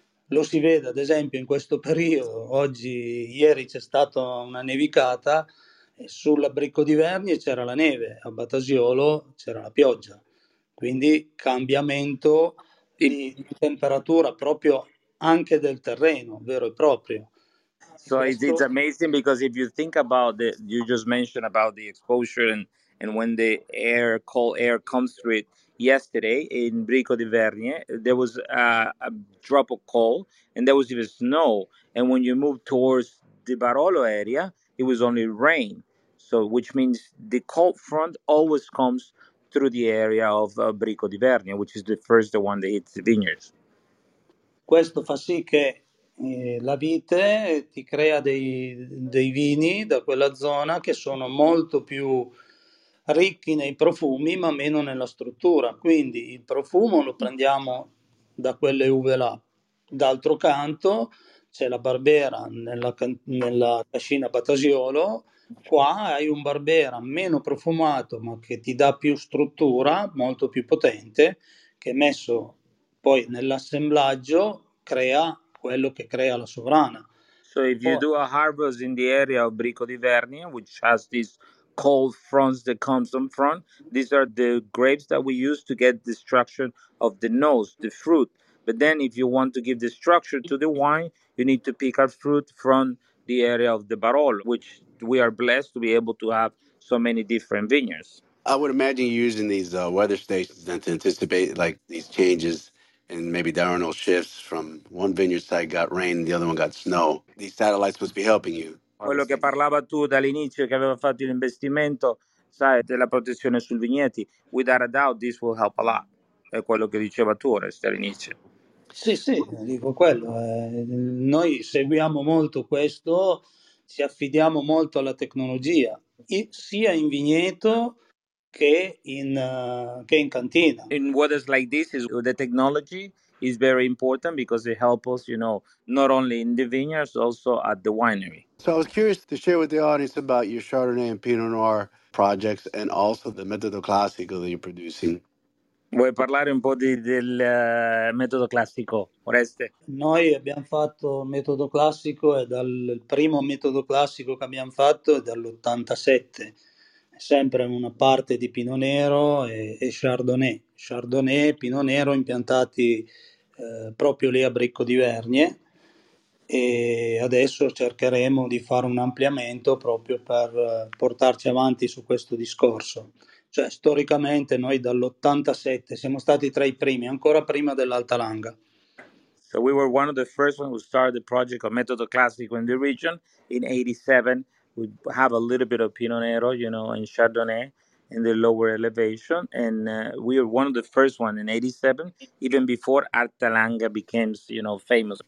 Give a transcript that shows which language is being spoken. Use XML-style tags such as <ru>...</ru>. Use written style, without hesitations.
<it>Lo si vede ad esempio in questo periodo, oggi, ieri c'è stata una nevicata, e sulla Bricco di Vernie c'era la neve, a Batasiolo c'era la pioggia. Quindi cambiamento di temperatura proprio anche del terreno, vero e proprio.</it> <en>So it's amazing because if you think about it, you just mentioned about the exposure and when the air, cold air comes through it. Yesterday in Bricco di Vernie, there was a drop of cold and there was even snow. And when you move towards the Barolo area, it was only rain. So which means the cold front always comes through the area of Bricco di Vernie, which is the first one that hits the vineyards.</en> <it>Questo fa sì che la vite ti crea dei vini da quella zona che sono molto più ricchi nei profumi, ma meno nella struttura. Quindi il profumo lo prendiamo da quelle uve là. D'altro canto c'è la Barbera nella cascina Batasiolo. Qua hai un Barbera meno profumato, ma che ti dà più struttura, molto più potente, che messo poi nell'assemblaggio crea quello che crea la sovrana.</it> <en>So if you do a harvest in the area of Brico di Vernia, which has these cold fronts that comes from front, these are the grapes that we use to get the structure of the nose, the fruit. But then if you want to give the structure to the wine, you need to pick up fruit from the area of the Barolo, which we are blessed to be able to have so many different vineyards. I would imagine using these weather stations then to anticipate like these changes and maybe diurnal shifts from one vineyard site got rain, the other one got snow. These satellites must be helping you.</en> <it>Quello che parlava tu dall'inizio, che aveva fatto l'investimento, sai, della protezione sul vigneti,</it> <en>without a doubt this will help a lot.</en> <it>È quello che diceva tu, Oreste, all'inizio. Sì, sì, dico quello. Noi seguiamo molto questo, ci affidiamo molto alla tecnologia, sia in vigneto che in cantina.</it> <en>In weather like this, the technology is very important because it helps us, you know, not only in the vineyards, also at the winery. So I was curious to share with the audience about your Chardonnay and Pinot Noir projects and also the Metodo Classico that you're producing.</en> <it>Vuoi parlare un po' del metodo classico, Oreste? Noi abbiamo fatto metodo classico, e dal primo metodo classico che abbiamo fatto è dall'87. È sempre una parte di Pinot Nero e Chardonnay. Chardonnay e Pinot Nero impiantati proprio lì a Brico di Vernie. E adesso cercheremo di fare un ampliamento proprio per portarci avanti su questo discorso. Cioè, storicamente noi dall'87 siamo stati tra i primi, ancora prima dell'Altalanga.</it> <en>So we were one of the first ones who started the project of Metodo Classico in the region in 87. We have a little bit of Pinot Nero, you know, and Chardonnay in the lower elevation. And we were one of the first ones in 87, even before Altalanga became, you know, famous.</en>